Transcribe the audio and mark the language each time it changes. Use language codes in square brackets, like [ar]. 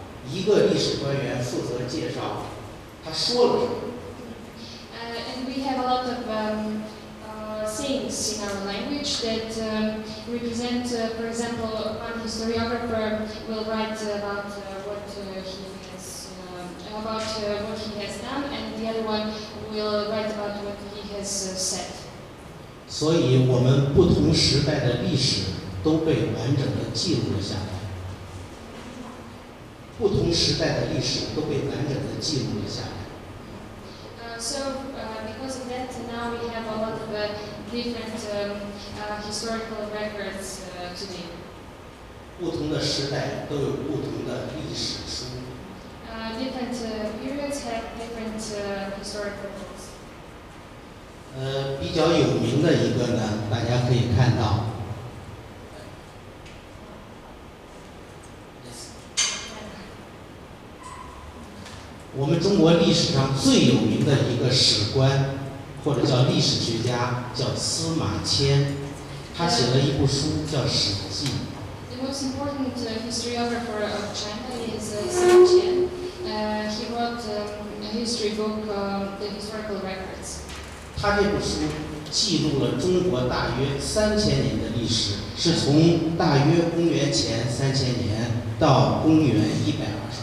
[zh] 一个历史官员负责介绍他说了什么。 [en] And we have a lot of sayings in our language that represent, for example, one historiographer will write about what he has done, and the other one will write about what he has said. [zh] 所以我们不同时代的历史都被完整的记录了下来。不同时代的历史都被完整的记录了下来。 [en] Because of that, now we have a lot of different historical records today. [zh] 不同的时代都有不同的历史书。 [en] Different periods have different historical books. [zh] 比较有名的一个呢，大家可以看到。我们中国历史上最有名的一个史官或者叫历史学家叫司马迁，他写了一部书叫《史记》。 [en] The most important historiographer of China is Sima Qian. He wrote a history book, The Historical Records. [zh] 他这部书记录了中国大约3000年的历史，是从大约公元前3000年到公元122年。